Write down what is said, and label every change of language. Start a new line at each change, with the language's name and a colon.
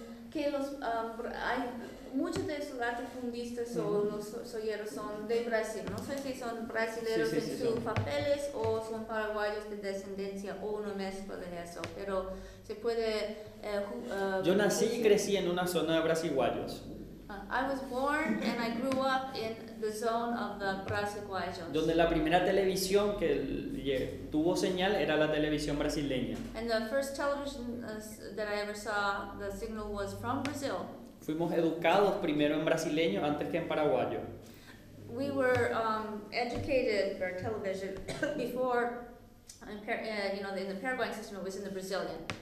Spanish: Que los hay muchos de esos latifundistas o los soyeros son de Brasil. No sé si son brasileños sí, en sus papeles o son paraguayos de descendencia o una mezcla de eso, pero se puede. Yo nací y crecí en una zona de brasileños.
English: I was born and I grew up in the zone of the Brasileiros.
Spanish: Donde la primera televisión que tuvo señal era la televisión brasileña.
English: And the first television that I ever saw, the signal was from Brazil.
Spanish: Fuimos educados primero en brasileño antes que en paraguayo.
English: We were educated for television before, in the Paraguayan system, it was in the Brazilian.